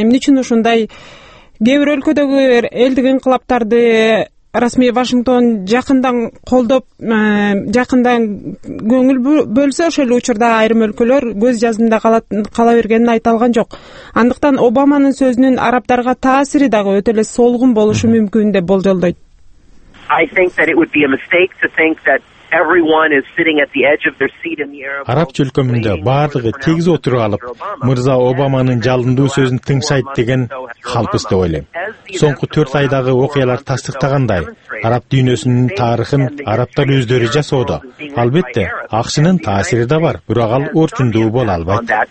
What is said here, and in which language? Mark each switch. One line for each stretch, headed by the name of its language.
Kyrgyz: Эмне үчүн ушундай кээ бир өлкөдөгү элдик инкылаптарды расмий Вашингтон жакындан колдоп жакындан көңүл бөлсө ошол эле учурда айрым өлкөлөр көз жазымда кала бергенин айта алган жок. Андыктан Обаманын сөзүнүн арабтарга таасири дагы өтө эле солгун болушу мүмкүн деп болжолдойт.
English: I think that it would be a mistake to think that everyone is sitting at the edge of their seat in the Arab world.
Kyrgyz: Араб чөлкөмүндө баардыгы тегиз отуруп алып, мырза Обаманын жалындуу сөзүн тыңшайт деген калпыз деп ойлойм. Соңку 4 айдагы окуялар тастыктагандай, араб дүйнөсүнүн тарыхын арабтар өздөрү жасоодо. Албетте, АКШнын таасири да бар, бирок ал орчундуу боло албайт.